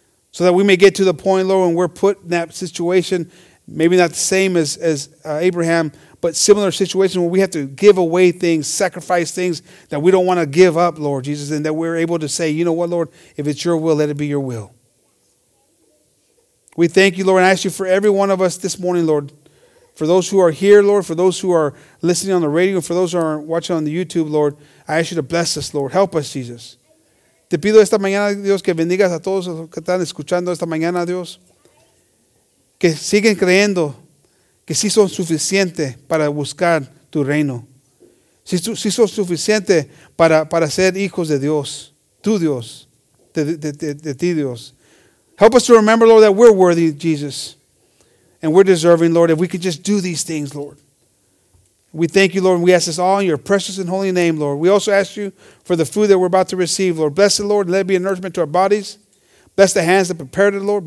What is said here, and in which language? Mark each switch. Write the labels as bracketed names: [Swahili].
[English] So that we may get to the point, Lord, when we're put in that situation, maybe not the same as Abraham, but similar situations where we have to give away things, sacrifice things that we don't want to give up, Lord Jesus, and that we're able to say, you know what, Lord, if it's your will, let it be your will. We thank you, Lord, and ask you for every one of us this morning, Lord, for those who are here, Lord, for those who are listening on the radio, and for those who are watching on the YouTube, Lord, I ask you to bless us, Lord. Help us, Jesus. [Spanish] Te pido esta mañana, Dios, que bendigas a todos los que están escuchando esta mañana, Dios, que siguen creyendo. Que si son suficiente para buscar tu reino. Si son suficiente para ser hijos de Dios. Tu Dios. De ti Dios. [English] Help us to remember, Lord, that we're worthy, Jesus. And we're deserving, Lord, if we could just do these things, Lord. We thank you, Lord. And we ask this all in your precious and holy name, Lord. We also ask you for the food that we're about to receive, Lord. Bless it, Lord. Let it be a nourishment to our bodies. Bless the hands that prepared it, Lord.